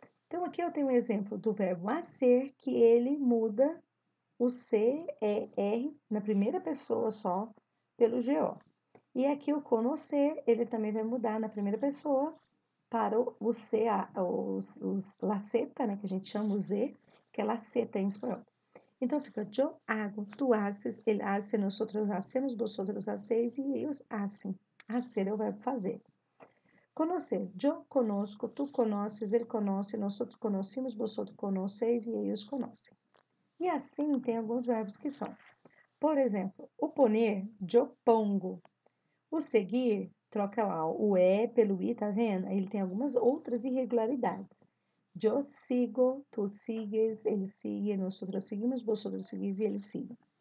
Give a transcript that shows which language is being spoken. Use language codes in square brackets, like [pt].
[pt] Então aqui eu tenho um exemplo do verbo a ser, que ele muda o C, E, R na primeira pessoa só pelo GO. E aqui o conocer, ele também vai mudar na primeira pessoa para o C, la seta, né, que a gente chama o Z, que é la seta em espanhol. Então fica [es] yo hago, tú haces, él hace, nosotros hacemos, vosotros hacéis e ellos hacen. Hacer [pt] é o verbo fazer. [es] Conocer. Yo conozco, tú conoces, él conoce, nosotros conocimos, vosotros conocéis y ellos conocen. [pt] E assim tem alguns verbos que são. Por exemplo, o poner, [es] yo pongo. [pt] O seguir, troca lá o E pelo I, tá vendo? Ele tem algumas outras irregularidades. Eu sigo, tu sigues, ele sigue, nós outros seguimos, [es] vosotros seguís [pt] e ele sigue.